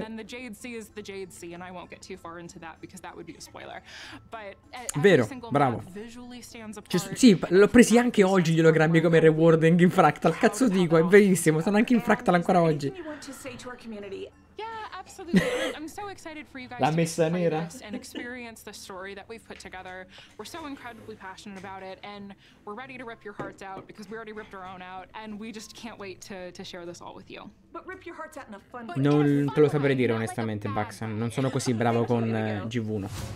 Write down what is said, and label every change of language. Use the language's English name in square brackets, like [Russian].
[English] And then the Jade Sea is the Jade Sea, and I won't get too far into that because that would be a spoiler. But [Italian] vero, bravo. Sì, l'ho presi anche oggi gli ologrammi come rewarding in Fractal. Cazzo dico, è verissimo, sono anche in Fractal ancora oggi. [English] I'm so excited for you guys. [Italian] La messa nera. [English] And experience the story that we've put together. We're so incredibly passionate about it and we're ready to rip your hearts out because we already ripped our own out and we just can't wait to share this all with you. But rip your hearts out in a fun. [Italian] Non te lo saprei dire onestamente, Bax, non sono così bravo con GV1.